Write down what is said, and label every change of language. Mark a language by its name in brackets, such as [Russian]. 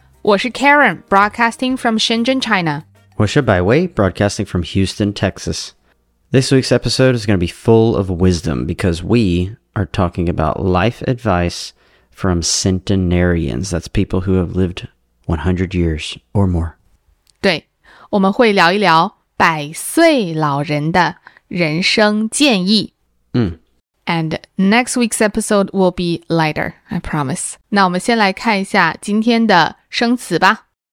[Chinese] 我是 [English] Karen, broadcasting from Shenzhen, China. [Chinese] 我是 [English] Baiwei, broadcasting from Houston, Texas. This week's episode is going to be full of wisdom because we are talking about life advice from centenarians. That's people who have lived 100 years or more. [Chinese] 对,我们会聊一聊百岁老人的人生建议。 [English] And next week's episode will be lighter, I promise. [Chinese] 那我们先来看一下今天的生词吧。